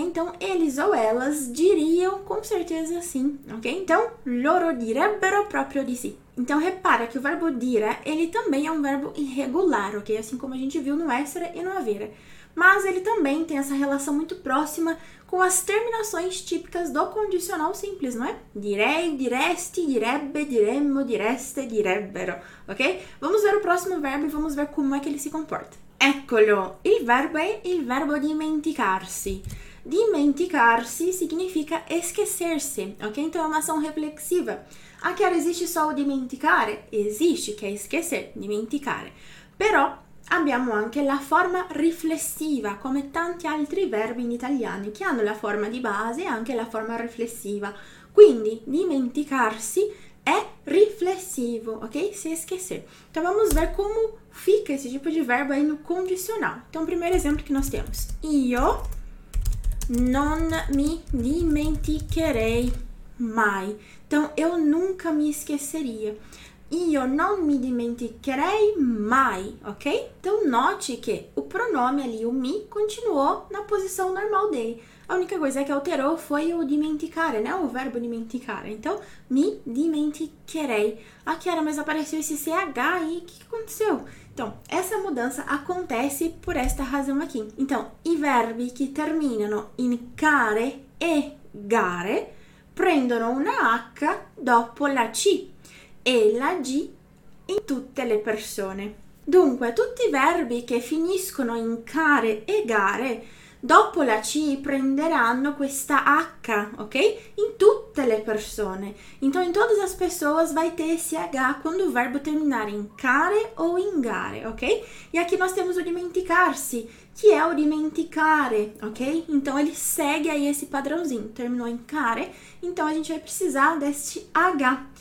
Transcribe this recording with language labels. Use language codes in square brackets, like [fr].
[pt] Então, eles ou elas diriam com certeza sim, ok? [it] Então, loro direbbero proprio di sì. [pt] Então, repara que o verbo dire, ele também é um verbo irregular, ok? Assim como a gente viu no essere e no avere. Mas ele também tem essa relação muito próxima com as terminações típicas do condicional simples, não é? [it] Direi, direste, direbbe, diremmo, direste, direbbero, ok? [pt] Vamos ver o próximo verbo e vamos ver como é que ele se comporta. [it] Eccolo, il verbo è il verbo dimenticarsi. Dimenticarsi significa [pt] esquecer-se, [it] ok? [pt] Então, é uma ação reflexiva. Aqui esiste só o dimenticare? [it] Esiste, [pt] que é esquecer, dimenticare. [it] Però abbiamo anche la forma riflessiva, come tanti altri verbi in italiano, che hanno la forma di base e anche la forma riflessiva. Quindi, dimenticarsi è riflessivo, ok? [pt] Se esquecer. Então, vamos ver como fica esse tipo de verbo aí no condicional. Então, primeiro exemplo que nós temos. [it] Io non mi dimenticherei mai. [pt] Então, eu nunca me esqueceria. [it] Io non mi dimenticherei mai, ok? [pt] Então, note que o pronome ali, o mi, continuou na posição normal dele. A única coisa que alterou foi o dimenticare, né? O verbo dimenticare. Então, mi dimenticherei. Ah, Chiara, mas apareceu esse CH aí. O que aconteceu? Então, essa mudança acontece por esta razão aqui. [it] Então, i verbi [pt] que terminam em [it] care e gare prendono una H dopo la C e la G in tutte le persone. Dunque, tutti i verbi che finiscono in care e gare dopo la C prenderanno questa H, ok? In tutte le persone. [pt] Então, in todas as pessoas vai ter esse H quando o verbo [it] terminare in care o in gare, [pt] ok? E aqui nós temos o dimenticarsi, que é o dimenticare, ok? Então, ele segue aí esse padrãozinho. Terminou em care, então a gente vai precisar deste H.